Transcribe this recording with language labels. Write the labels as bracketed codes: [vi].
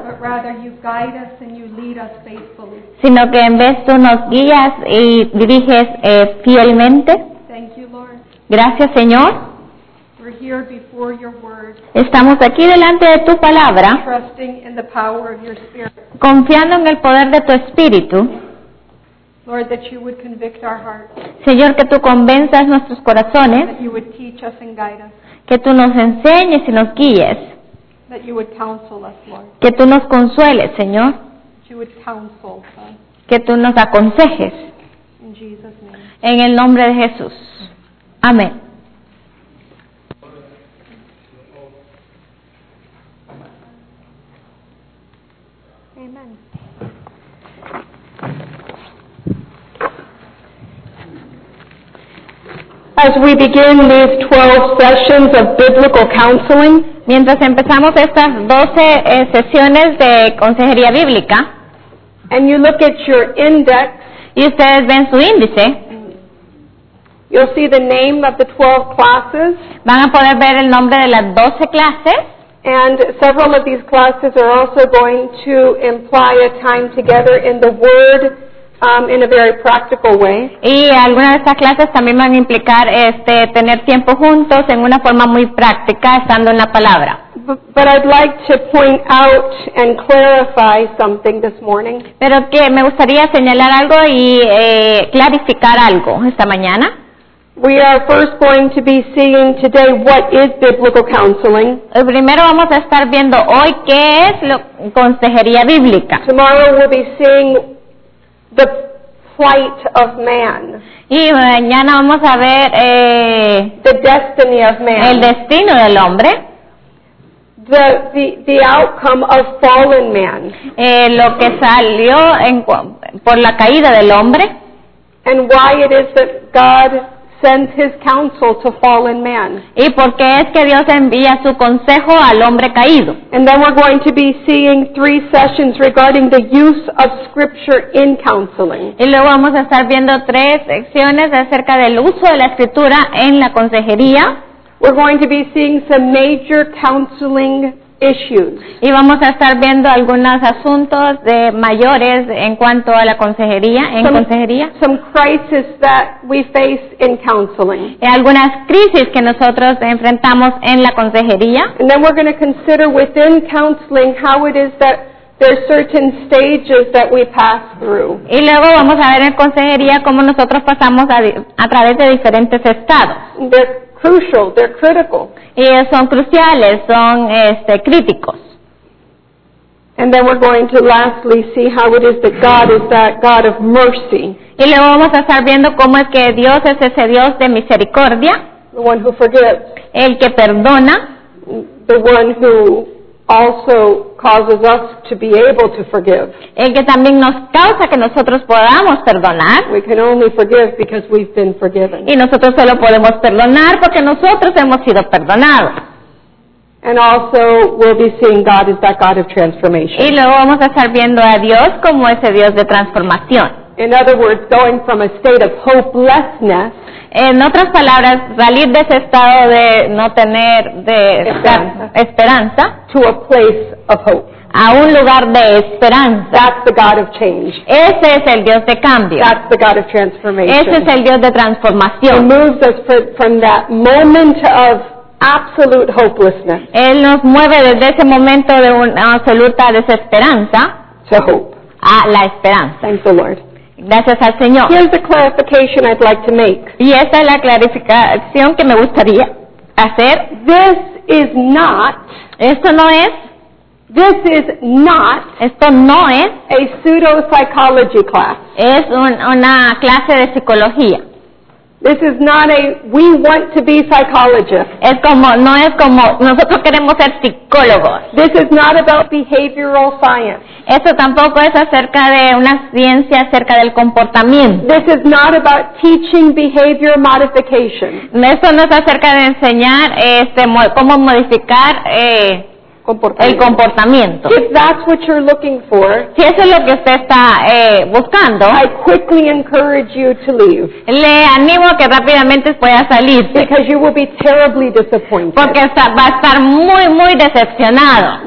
[en] but rather you guide us and you lead us faithfully. [es] Sino que en vez tú nos guías y diriges fielmente. [en] Thank you, Lord. [es] Gracias, Señor. [en] We're here before your word. [es] Estamos aquí delante de tu palabra, [en] trusting in the power of your spirit. [es] Confiando en el poder de tu espíritu. [en] Lord, that you would convict our hearts. [es] Señor, que tú convenzas nuestros corazones. [en] That you would teach us and guide us. [es] Que tú nos enseñes y nos guíes. [en] That you would counsel us, Lord. [es] Que tú nos consueles, Señor. [en] That you would counsel us. [es] Que tú nos aconsejes. [en] In Jesus' name. [es] En el nombre de Jesús. Amén. [en] As we begin these 12 sessions of biblical counseling, [es] mientras empezamos estas 12 sesiones de consejería bíblica, [en] and you look at your index, [es] y ustedes ven su índice, [en] you'll see the name of the 12 classes. [es] Van a poder ver el nombre de las 12 clases. [en] And several of these classes are also going to imply a time together in the Word in a very practical way. [es] Y algunas de estas clases también van a implicar tener tiempo juntos en una forma muy práctica, estando en la palabra. [en] But I'd like to point out and clarify something this morning. [es] Pero que me gustaría señalar algo y clarificar algo esta mañana. [en] We are first going to be seeing today what is biblical counseling. [es] Primero vamos a estar viendo hoy qué es consejería bíblica. [en] Tomorrow we'll be seeing the plight of man. [es] Y mañana vamos a ver [en] the destiny of man. [es] El destino del hombre. [en] The outcome of fallen man. [es] Lo que salió por la caída del hombre. [en] And why it is that God sends his counsel to fallen man. [es] ¿Y por qué es que Dios envía su consejo al hombre caído? [en] And then we're going to be seeing three sessions regarding the use of scripture in counseling. [es] Y luego vamos a estar viendo tres secciones acerca del uso de la escritura en la consejería. [en] We're going to be seeing some major counseling issues. [es] Y vamos a estar viendo algunos asuntos de mayores en cuanto a la consejería, consejería. [en] Some crises that we face in counseling. [es] Y algunas crisis que nosotros enfrentamos en la consejería. [en] And then we're going to consider within counseling how it is that there are certain stages that we pass through. [es] Y luego vamos a ver en consejería cómo nosotros pasamos a través de diferentes estados. [en] Crucial, they're critical. [es] Y son cruciales, son críticos. [en] And then we're going to lastly see how it is that God is that God of mercy. [es] Y luego vamos a estar viendo cómo es que Dios es ese Dios de misericordia. [en] The one who forgives. [es] El que perdona. [en] The one who also causes us to be able to forgive. [es] El que también nos causa que nosotros podamos perdonar. [en] We can only forgive because we've been forgiven. [es] Y nosotros solo podemos perdonar porque nosotros hemos sido perdonados. [en] And also we'll be seeing God as that God of transformation. [es] Y luego vamos a estar viendo a Dios como ese Dios de transformación. [en] In other words, going from a state of hopelessness. [es] En otras palabras, salir de ese estado de no tener de esperanza, [en] to a place of hope. [es] A un lugar de esperanza. [en] That's the God of change. [es] Ese es el Dios de cambio. [en] That's the God of transformation. [es] Ese es el Dios de transformación. [en] He moves us from that moment of absolute hopelessness. [es] Él nos mueve desde ese momento de una absoluta desesperanza [en] to hope. [es] A la esperanza. [en] Thank the Lord. [es] Gracias al Señor. [en] Here's the clarification I'd like to make. [es] Y esta es la clarificación que me gustaría hacer. [en] This is not. [es] Esto no es. [en] This is not. [es] Esto no es. [en] A pseudo-psychology class. [es] Es una clase de psicología. [en] This is not a we want to be psychologists. [es] Es como no es como nosotros queremos ser psicólogos. [en] This is not about behavioral science. [es] Eso tampoco es acerca de una ciencia acerca del comportamiento. [en] This is not about teaching behavior modification. [es] Eso no es acerca de enseñar cómo modificar el comportamiento. [en] If that's what you're looking for, [es] si eso es lo que usted está buscando, [en] I quickly encourage you to leave. [es] Le animo a que rápidamente pueda salir. [en] Because you will be terribly disappointed. [es] Porque va a estar muy, muy decepcionado.